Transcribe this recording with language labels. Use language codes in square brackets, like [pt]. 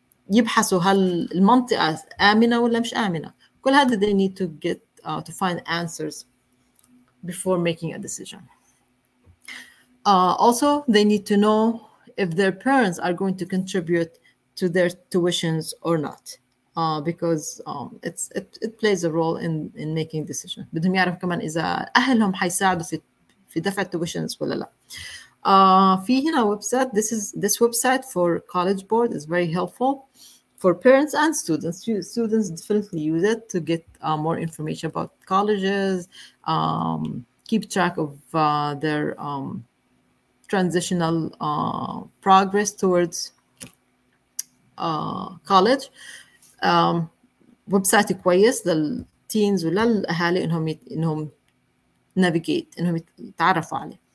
[ar] يبحثوا هل المنطقة آمنة ولا مش آمنة؟ كل هذا [en] they need to get to find answers before making a decision. Also, they need to know if their parents are going to contribute to their tuitions or not, because it plays a role in making decision. [ar] بدهم يعرف كمان إذا أهلهم حيساعدوا في دفع tuitions ولا لا. في هنا website. [en] This website for College Board is very helpful for parents and students. Students definitely use it to get more information about colleges, keep track of their transitional progress towards college. [ar] Website كويس للteens وللأهالي إنهم navigate، إنهم يتعرفوا عليه.